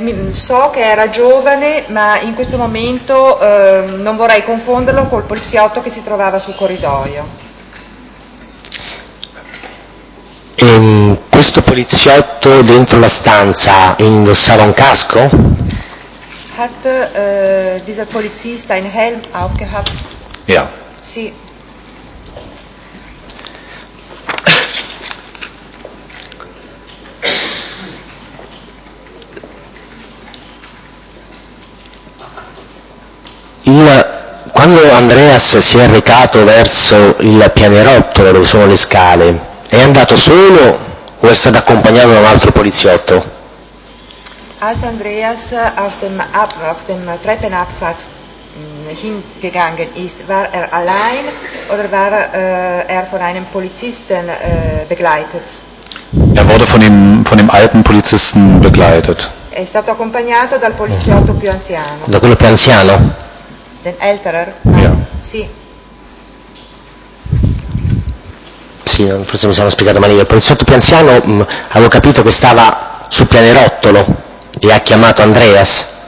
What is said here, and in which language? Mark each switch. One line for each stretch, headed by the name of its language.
Italian: So che era giovane, ma in questo momento non vorrei confonderlo col poliziotto che si trovava sul corridoio. Questo poliziotto dentro la stanza indossava un casco?
German: Hat dieser Polizist einen Helm aufgehabt? Ja.
Italian: Sì. Quando Andreas si è recato verso il pianerottolo dove sono le scale, È andato solo o è stato accompagnato da un altro poliziotto?
German: Als Andreas auf dem Treppenabsatz hingegangen ist, war allein oder war von einem Polizisten begleitet? Wurde von dem alten Polizisten begleitet.
Italian: È stato accompagnato dal poliziotto più anziano. Da quello più anziano?
German: Den älterer? Ja.
Italian: Sì. Sì, forse mi sono spiegato male io. Il poliziotto più anziano, avevo capito che stava su pianerottolo e ha chiamato Andreas.